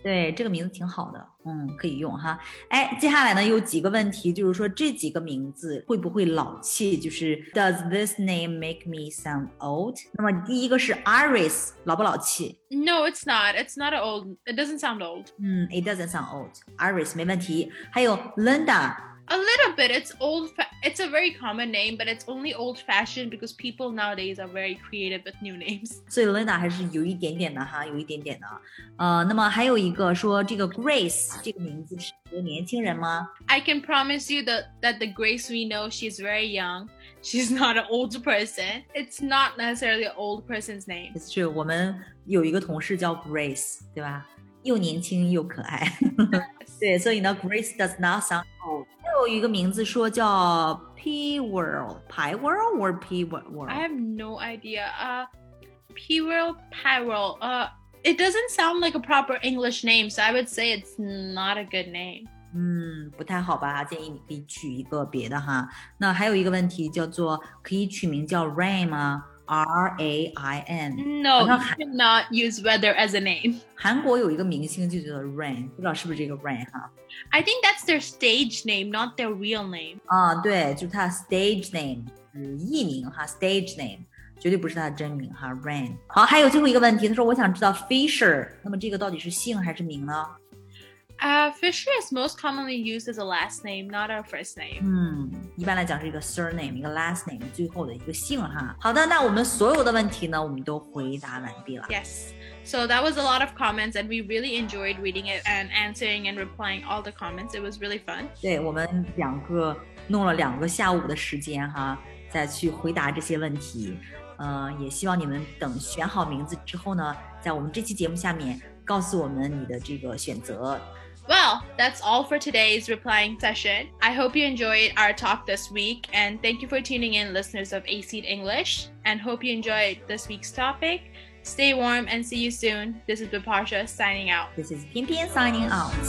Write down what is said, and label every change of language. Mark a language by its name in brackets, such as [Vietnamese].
[Chinese] 对，这个名字挺好的，可以用哈。接下来呢，有几个问题，就是说这几个名字会不会老气？就是 [English] Does this name make me sound old? [Chinese] 那么第一个是 Iris, 老不老气？ [English] No, it's not. It's not old. It doesn't sound old. It doesn't sound old. Iris, [Chinese] 没问题。 [English] 还有 Linda. A little bit. It's a very common name, but it's only old-fashioned because people nowadays are very creative with new names. [Chinese] So Linda 还是有一点点的哈，有一点点的。那么还有一个说这个 Grace 这个名字是一个年轻人吗 [English] ？I can promise you that the Grace we know, she's very young. She's not an old person. It's not necessarily an old person's name. It's true. [Chinese] 我们有一个同事叫 Grace， 对吧？又年轻又可爱。对，所以呢 ， [English] Grace does not sound old. [Chinese] 有一个名字说叫 P World, Pi World or P World? [English] I have no idea. P World, Pi World. It doesn't sound like a proper English name, so I would say it's not a good name. [Chinese] 不太好吧？建议你可以取一个别的哈。那还有一个问题叫做，可以取名叫 Rain 吗？ [English] R A I N. No, you cannot use weather as a name. [Chinese] 韩国有一个明星就叫做 Rain， 不知道是不是这个 Rain 哈。 [English] I think that's their stage name, not their real name. [Chinese] 对，就是他 stage name， 艺名哈 ，stage name， 绝对不是他的真名哈 ，Rain。好，还有最后一个问题，他说我想知道 Fisher， 那么这个到底是姓还是名呢？ [English] Fisher is most commonly used as a last name, not a first name. [Chinese] 一般来讲是一个 surname, 一个 last name, 最后的一个姓哈。好的，那我们所有的问题呢，我们都回答完毕了。 [English] Yes, so that was a lot of comments, and we really enjoyed reading it and answering and replying all the comments. It was really fun. [Chinese] 对，我们两个弄了两个下午的时间哈，再去回答这些问题。也希望你们等选好名字之后呢，在我们这期节目下面告诉我们你的这个选择。 [English] Well, that's all for today's replying session. I hope you enjoyed our talk this week, and thank you for tuning in, listeners of A-Seed English, and hope you enjoyed this week's topic. Stay warm and see you soon. This is Biparsha signing out. This is Pian Pian signing out.